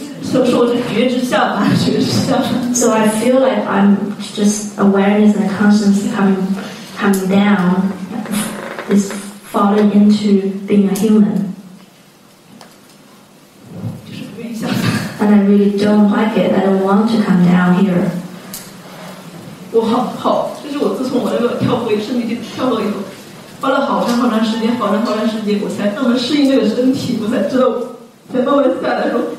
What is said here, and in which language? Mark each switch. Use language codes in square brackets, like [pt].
[zh] 所以说我是觉知下吧，觉知下。 [en] So I feel like I'm just awareness and conscience coming down, is falling into being a human. And I really don't like it. I don't want to come down here. [zh] 我好好，就是我自从我那个跳回身体就跳了以后，花了好长好长时间，好长好长时间，我才慢慢适应这个身体，我才知道，才慢慢下来说。